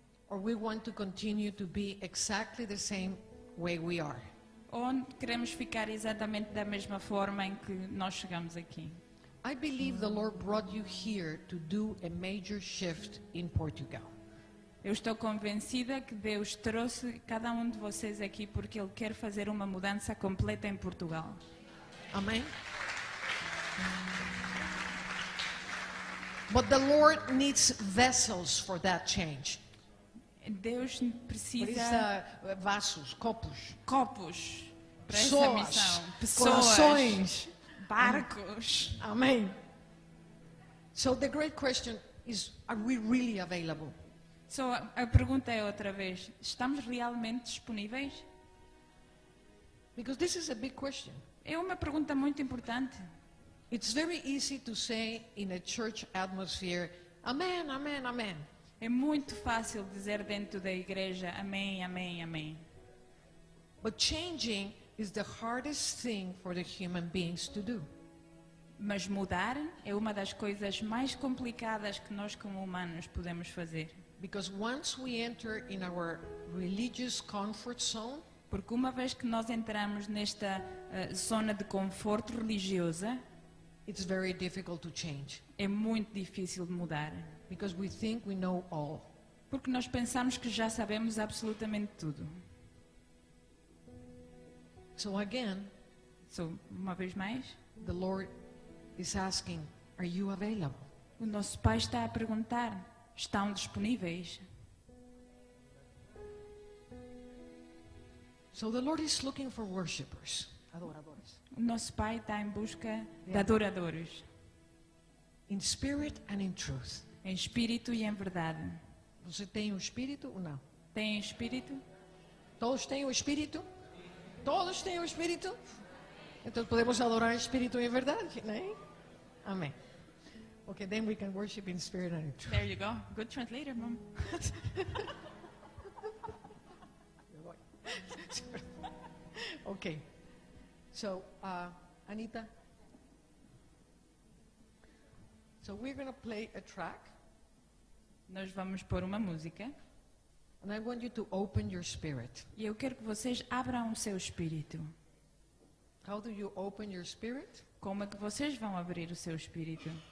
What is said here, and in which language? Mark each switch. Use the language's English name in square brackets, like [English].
[English] Or we want to continue to be exactly the same way we are? [Portuguese] Ou queremos ficar exatamente da mesma forma em que nós chegamos aqui? [English] I believe the Lord brought you here to do a major shift in Portugal. [Portuguese] Eu estou convencida que Deus trouxe cada de vocês aqui porque Ele quer fazer uma mudança completa em Portugal. Amém? [English] But the Lord needs vessels for that change. [Portuguese] Deus precisa vasos, copos. Copos. Para pessoas, essa missão. Pessoas. Corações. Barcos. Amém. [English] So the great question is, are we really available? [Portuguese] So a pergunta é outra vez, estamos realmente disponíveis? [English] Because this is a big question. [Portuguese] É uma pergunta muito importante. [English] It's very easy to say in a church atmosphere, amen, amen, amen. [Portuguese] É muito fácil dizer dentro da igreja, amém, amém, amém. [English] But changing is the hardest thing for the human beings to do. [Portuguese] Mas mudar é uma das coisas mais complicadas que nós como humanos podemos fazer. [English] Because once we enter in our religious comfort zone, [Portuguese] Porque uma vez que nós entramos nesta zona de conforto religiosa, [English] it's very difficult to change. [Portuguese] É muito difícil de mudar. [English] Because we think we know all. [Portuguese] Porque nós pensamos que já sabemos absolutamente tudo. [English] So again, [Portuguese] so, uma vez mais, [English] the Lord is asking, are you available? [Portuguese] O nosso Pai está a perguntar, estão disponíveis? [English] So the Lord is looking for worshippers. [Portuguese] Adoradores. O nosso Pai está em busca de adoradores. [English] In spirit and in truth. [Portuguese] Em espírito e em verdade. Você tem o espírito ou não? Tem espírito? Todos têm o espírito? Todos têm o espírito? Então podemos adorar o espírito em verdade, né? Amém. [English] Okay, then we can worship in spirit and in truth. There you go. Good translator, mom. Okay. So, Anita. So we're going to play a track. [Portuguese] Nós vamos pôr uma música. [English] And I want you to open your spirit. [Portuguese] E eu quero que vocês abram o seu espírito. [English] How do you open your spirit? [Portuguese] Como é que vocês vão abrir o seu espírito?